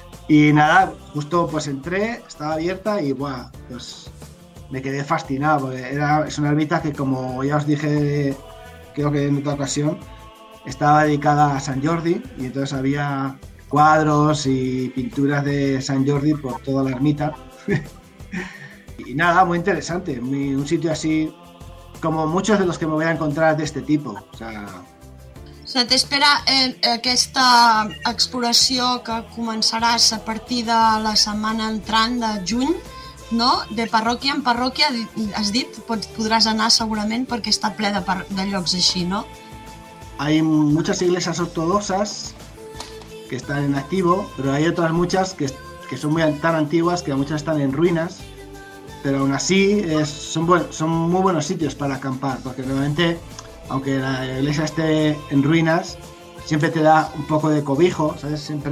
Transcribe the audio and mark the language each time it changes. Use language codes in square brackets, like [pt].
[es] Y nada, justo pues entré, estaba abierta y buah, pues me quedé fascinado porque era, es una ermita que, como ya os dije, creo que en otra ocasión, estaba dedicada a San Jordi y entonces había cuadros y pinturas de San Jordi por toda la ermita. Y nada, muy interesante, un sitio así como muchos de los que me voy a encontrar de este tipo. O sea, [ca] te espera aquesta exploració que començaràs a partir de la setmana entrant de juny, no? De parròquia en parròquia, has dit, podràs anar segurament perquè està ple de llocs així, no? [es] Hay muchas iglesias ortodoxas que están en activo, pero hay otras muchas que son muy, tan antiguas que muchas están en ruinas, pero aún así son muy buenos sitios para acampar, porque normalmente, aunque la iglesia esté en ruinas, siempre te da un poco de cobijo, ¿sabes?